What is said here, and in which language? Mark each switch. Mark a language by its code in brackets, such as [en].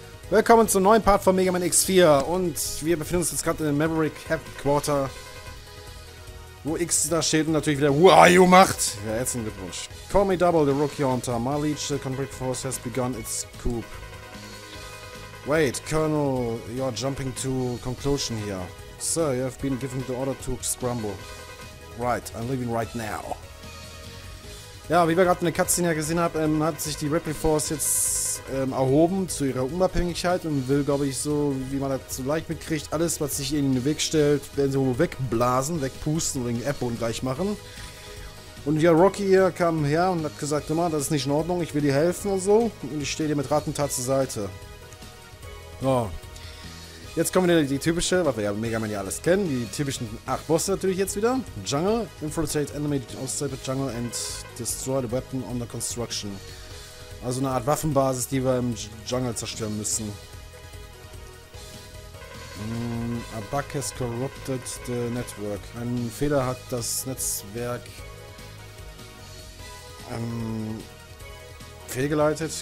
[de] Willkommen zum neuen Part von Mega Man X4 und wir befinden uns jetzt gerade in den Maverick Headquarter, wo X da steht und natürlich wieder WAIU macht. Ja, jetzt ein Glückwunsch. [en] Call me double, the Rookie Hunter. My Leech, the Conflict Force has begun its coup. Wait, Colonel, you're jumping to conclusion here. Sir, you have been given the order to scramble. Right, I'm leaving right now. [de] Ja, wie wir gerade in der Cutscene ja gesehen haben, hat sich die Repliforce jetzt erhoben zu ihrer Unabhängigkeit und will, glaube ich, so, wie man das so leicht mitkriegt, alles, was sich ihnen in den Weg stellt, werden sie wohl wegblasen, wegpusten oder den Erdboden gleich machen. Und ja, Rocky hier kam her und hat gesagt, immer, das ist nicht in Ordnung, ich will dir helfen und so. Und ich stehe dir mit Rat und Tat zur Seite. So. Jetzt kommen wieder die typische, was wir ja Mega Man ja alles kennen, die typischen 8 Bosse natürlich jetzt wieder. [en] Jungle, infiltrate enemy outside the jungle and destroy the weapon under construction. [de] Also eine Art Waffenbasis, die wir im Jungle zerstören müssen. [en] A bug has corrupted the network. [de] Ein Fehler hat das Netzwerk fehlgeleitet.